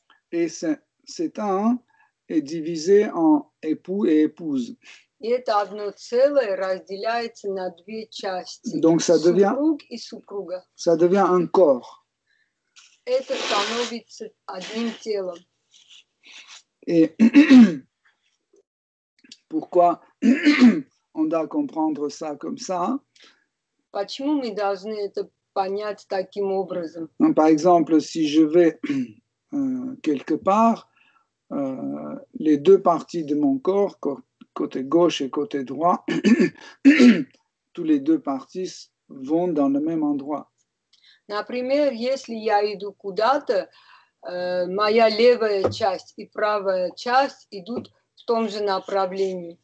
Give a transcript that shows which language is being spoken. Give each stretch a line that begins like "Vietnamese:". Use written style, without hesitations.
French: Et c'est un est divisé en époux et épouse.
Russian: И это одно целое разделяется на две части.
French: Donc ça devient
Russian: супруг и супруга.
French: Ça devient un corps.
Russian: Это становится одним телом.
French: Et pourquoi on doit comprendre ça comme ça?
Russian: Почему мы должны это понять таким образом?
French: Par exemple, si je vais quelque part, les deux parties de mon corps, côté gauche et côté droit, tous les deux parties vont dans le même endroit.
Russian: Например, если я иду куда-то, моя левая часть и правая часть идут в том же направлении.